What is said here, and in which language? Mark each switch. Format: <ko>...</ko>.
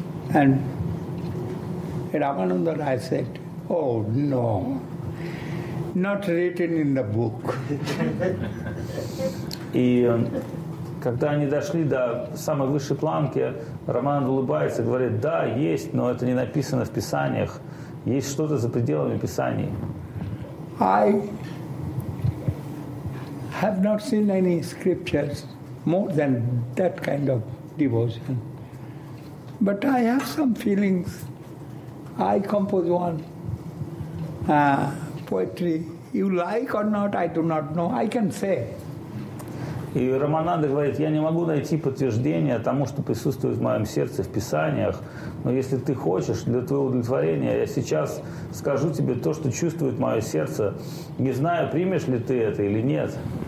<en>And Рамананда Рай said, oh, no, not written in the book.</en> <ru>И когда они дошли до самой высшей планки, Роман улыбается и говорит, да, есть, но это не написано в Писаниях. Есть что-то за пределами Писаний.</ru> <en>I have not seen any scriptures more than that kind of devotion. But I have some feelings. I compose one poetry. You like or not, I do not know. I can say.</en> <ru>И Рамананда говорит, я не могу найти подтверждения тому, что присутствует в моем сердце в Писаниях, но если ты хочешь, для твоего удовлетворения, я сейчас скажу тебе то, что чувствует мое сердце. Не знаю, примешь ли ты это или нет.</ru>